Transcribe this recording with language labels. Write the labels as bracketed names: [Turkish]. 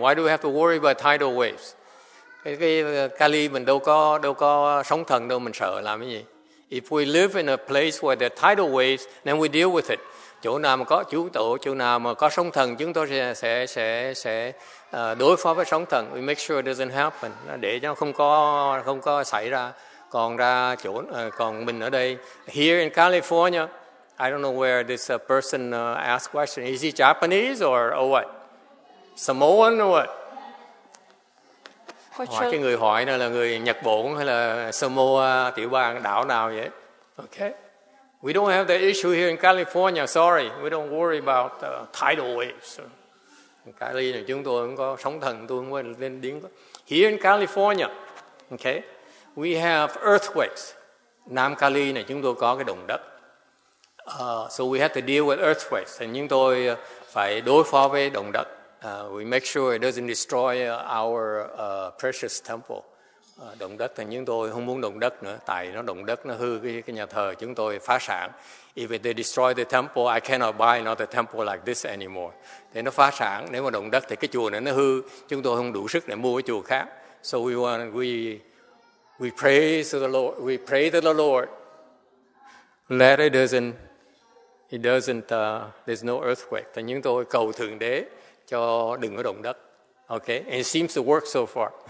[English] Why do we have to worry about tidal waves? [Vietnamese] Cái Cali mình đâu có sóng thần đâu mình sợ làm cái gì? [English] If we live in a place where there are tidal waves, then we deal with it. [Vietnamese] Chỗ nào mà có chú tổ, chỗ nào mà có sóng thần, chúng tôi sẽ đối phó với sóng thần. [English] We make sure it doesn't happen. [Vietnamese] Để cho không có xảy ra. Còn ra chỗ còn mình ở đây, [English] here in California, I don't know where this person asked question. Is he Japanese or what? Samoan or what? [Vietnamese] Hỏi cái người hỏi này là người Nhật Bản hay là Samoa tiểu bang đảo nào vậy? [English] Okay. We don't have the issue here in California. Sorry, we don't worry about tidal waves. [Vietnamese] Cali này chúng tôi không có sóng thần, tôi không quên lên đến. [English] Here in California, okay, we have earthquakes. [Vietnamese] Nam Cali này chúng tôi có cái động đất. [English] So we have to deal with earthquakes. [Vietnamese] And chúng tôi phải đối phó với động đất. [English] We make sure it doesn't destroy our precious temple. [Vietnamese] Động đất thì chúng tôi không muốn động đất nữa, tại nó động đất nó hư cái nhà thờ chúng tôi phá sản. [English] If they destroy the temple, I cannot buy another temple like this anymore. [Vietnamese] Thế nó phá sản, nếu mà động đất thì cái chùa này nó hư, chúng tôi không đủ sức để mua cái chùa khác. [English] So we pray to the Lord, we pray to the Lord. Let it doesn't there's no earthquake. [Vietnamese] Thì chúng tôi cầu thượng đế cho đừng có động đất. [English] Okay, and it seems to work so far.